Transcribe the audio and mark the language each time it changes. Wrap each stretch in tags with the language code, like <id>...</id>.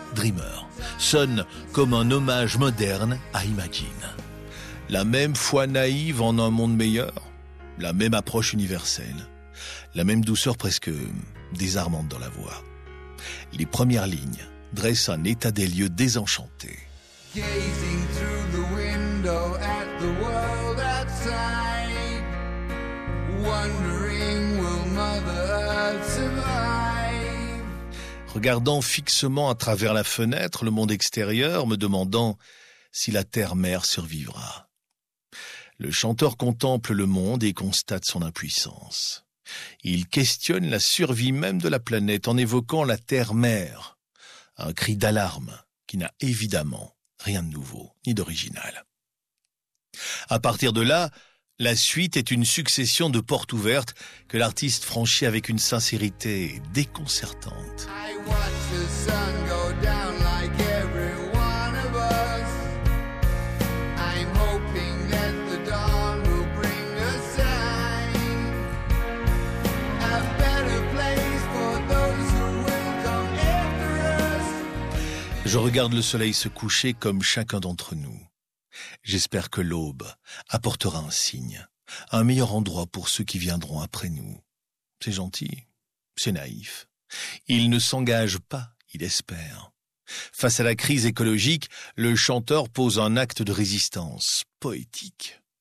<fr>Dreamer sonne comme un hommage moderne à Imagine. La même foi naïve en un monde meilleur, la même approche universelle, la même douceur presque désarmante dans la voix. Les premières lignes dressent un état des lieux désenchanté.</fr> <en>Gazing through the window at the world outside, wondering will Mother Earth survive.</en> <fr>Regardant fixement à travers la fenêtre le monde extérieur, me demandant si la Terre-mère survivra. Le chanteur contemple le monde et constate son impuissance. Il questionne la survie même de la planète en évoquant la Terre-mère, un cri d'alarme qui n'a évidemment rien de nouveau ni d'original. À partir de là, la suite est une succession de portes ouvertes que l'artiste franchit avec une sincérité déconcertante.</fr> <en>I watch the sun go down like everyone of us. I'm hoping that the dawn will bring a sign. A better place for those who will come after us.</en> <fr>Je regarde le soleil se coucher comme chacun d'entre nous. J'espère que l'aube apportera un signe, un meilleur endroit pour ceux qui viendront après nous. C'est gentil, c'est naïf. Il ne s'engage pas, il espère. Face à la crise écologique, le chanteur pose un acte de résistance poétique.</fr>